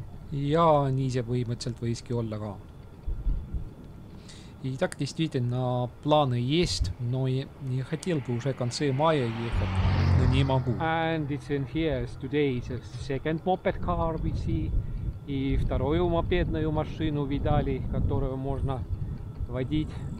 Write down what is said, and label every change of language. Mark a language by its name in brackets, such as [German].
[Estonian] Ja nii see põhimõtteliselt võiski olla ka. [Russian] И так действительно планы есть, но не хотел бы уже в конце мая ехать, но не могу. [English] And it's in here today, the second moped car we see. [Russian] И вторую мопедную машину видали, которую можно водить.